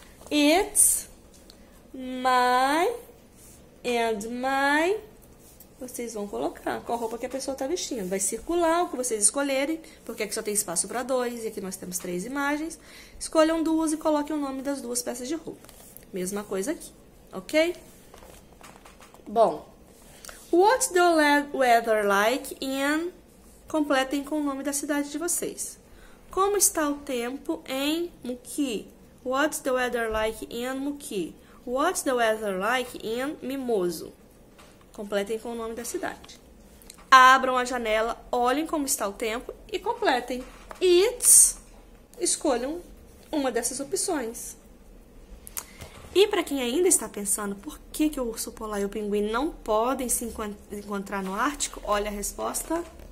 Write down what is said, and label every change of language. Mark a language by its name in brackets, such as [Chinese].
[English] It's my and my. [Portuguese] Vocês vão colocar qual roupa que a pessoa está vestindo. Vai circular o que vocês escolherem, porque aqui só tem espaço para dois, e aqui nós temos três imagens. Escolham duas e coloquem o nome das duas peças de roupa. Mesma coisa aqui, ok? Bom, [English] what's the weather like in. [Portuguese] Completem com o nome da cidade de vocês. Como está o tempo em Muki? [English] What's the weather like in Muki? What's the weather like in Mimoso? [Portuguese] Completem com o nome da cidade. Abram a janela, olhem como está o tempo e completem. [English] It's. [Portuguese] Escolham uma dessas opções. E para quem ainda está pensando por que que o urso polar e o pinguim não podem se encontrar no Ártico, olha a resposta.